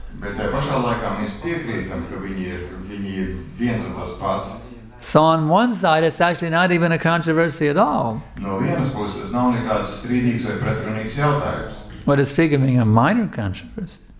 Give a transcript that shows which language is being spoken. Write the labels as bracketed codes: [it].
[lv] Bet tajā pašā laikā mēs piekrītam, ka viņi ir viens un tas pats. [en] So on one side, it's actually not even a controversy at all. [lv] No vienas puses, tas nav nekāds strīdīgs vai pretrunīgs jautājums. [en] What is speaking of being a minor controversy?